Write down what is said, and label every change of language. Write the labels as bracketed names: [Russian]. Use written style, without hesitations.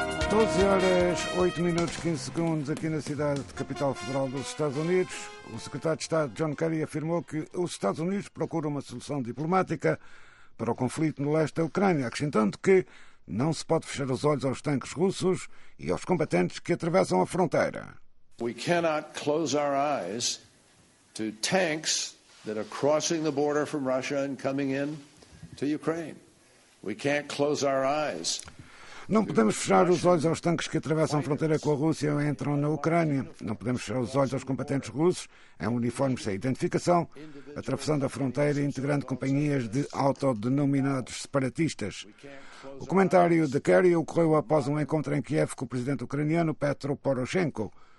[Portuguese] Horas, 8 minutos, 15 segundos, aqui na cidade de capital federal dos Estados Unidos. O secretário de Estado, John Kerry, afirmou que os Estados Unidos procuram uma solução diplomática para o conflito no leste da Ucrânia, acrescentando que não se pode fechar os olhos aos tanques russos e aos combatentes que atravessam a fronteira. [English] We cannot close our eyes to tanks that are crossing the border from Russia and coming in to Ukraine. We can't close our eyes. [Portuguese] Não podemos fechar os olhos aos tanques que atravessam a fronteira com a Rússia ou entram na Ucrânia. Não podemos fechar os olhos aos combatentes russos, em uniformes sem identificação, atravessando a fronteira e integrando companhias de autodenominados separatistas. O comentário de Kerry ocorreu após um encontro em Kiev com o presidente ucraniano Petro Poroshenko.